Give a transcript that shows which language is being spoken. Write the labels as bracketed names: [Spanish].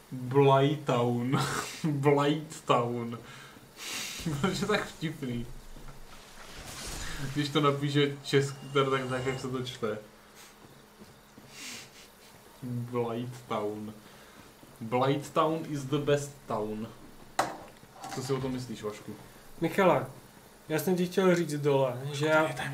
[Czech] Blightown. Blightown. Protože tak vtipný. Když to napíše tak jak se to čte. Blightown. [English] Blightown is the best town. [Czech] Co si o tom myslíš, Vašku? Michale, já jsem ti chtěl říct dole, že já...